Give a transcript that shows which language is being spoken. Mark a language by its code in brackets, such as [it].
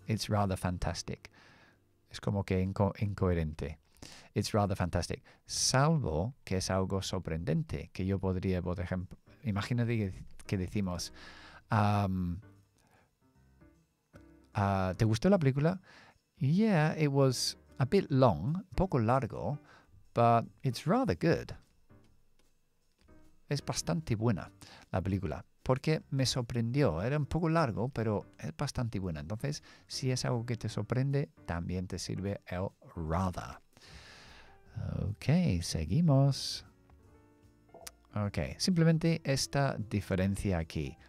[en] It's rather fantastic. [es] Es como que incoherente. [en] It's rather fantastic. [es] Salvo que es algo sorprendente, que yo podría, por ejemplo, imagínate que decimos, ¿te gustó la película? [en] Yeah, it was a bit long, [es] poco largo, [en] but it's rather good. [es] Es bastante buena la película, porque me sorprendió. Era un poco largo, pero es bastante buena. Entonces, si es algo que te sorprende, también te sirve el rather. Ok, seguimos. Ok, simplemente esta diferencia aquí.